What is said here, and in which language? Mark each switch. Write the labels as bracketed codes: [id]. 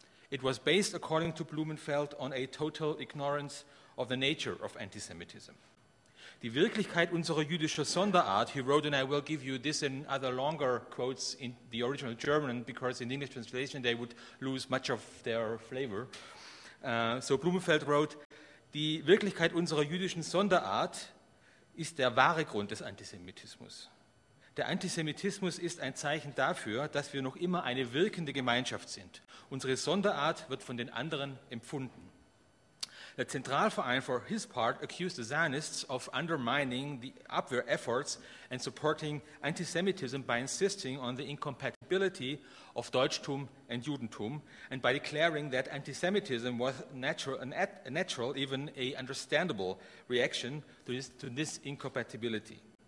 [en] It was based, according to Blumenfeld, on a total ignorance of the nature of anti-Semitism. [de] Die Wirklichkeit unserer jüdischer Sonderart, [en] he wrote, and I will give you this and other longer quotes in the original German, because in English translation they would lose much of their flavor. So Blumenfeld wrote, [de] die Wirklichkeit unserer jüdischen Sonderart ist der wahre Grund des Antisemitismus. Der Antisemitismus ist ein Zeichen dafür, dass wir noch immer eine wirkende Gemeinschaft sind. Unsere Sonderart wird von den anderen empfunden. [en] The Zentralverein, for his part, accused the Zionists of undermining the Abwehr efforts and supporting anti-Semitism by insisting on the incompatibility of Deutschtum and Judentum, and by declaring that anti-Semitism was a natural, even a understandable reaction to this incompatibility.